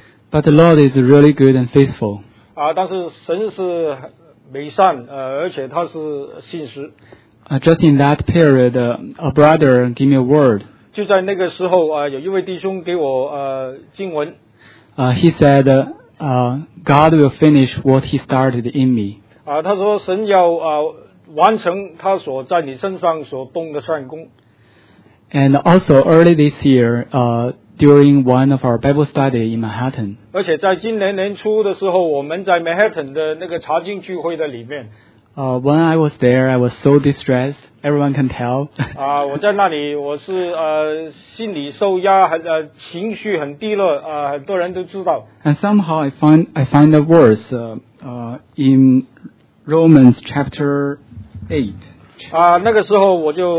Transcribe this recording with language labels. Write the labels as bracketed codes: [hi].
[en] But the Lord is really good and faithful. [zh] 但是神是美善而且他是信实。 [en] Just in that period, a brother gave me a word. [zh] 就在那个时候有一位弟兄给我经文。 [en] He said, God will finish what he started in me. [zh] 他说神要完成他所在你身上所动的善功。 [en] And also early this year, during one of our Bible study in Manhattan. [zh] 而且在今年年初的时候，我们在 Manhattan 的那个查经聚会的里面。 [en] When I was there, I was so distressed. Everyone can tell. [zh] 我在那里，我是心里受压，情绪很低落，很多人都知道。 And somehow I find a verse in Romans chapter 8. 那个时候我就